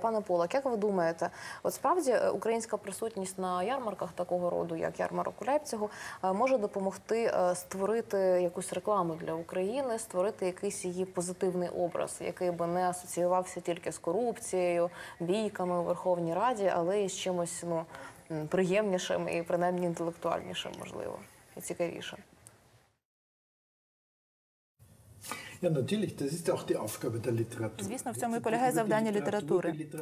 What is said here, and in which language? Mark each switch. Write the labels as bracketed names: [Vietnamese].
[Ukrainian] Пане Полак, як ви думаєте, от справді українська присутність на ярмарках такого роду, як ярмарок у Лейпцигу, може допомогти створити якусь рекламу для України, створити якийсь її позитивний образ, який би не асоціювався тільки з корупцією, бійками у Верховній Раді, але і з чимось, ну, приємнішим і принаймні інтелектуальнішим, можливо, і цікавішим? [German] Ja, natürlich, das ist auch die Aufgabe der Literatur. [Ukrainian] Звісно, в цьому і полягає завдання літератури.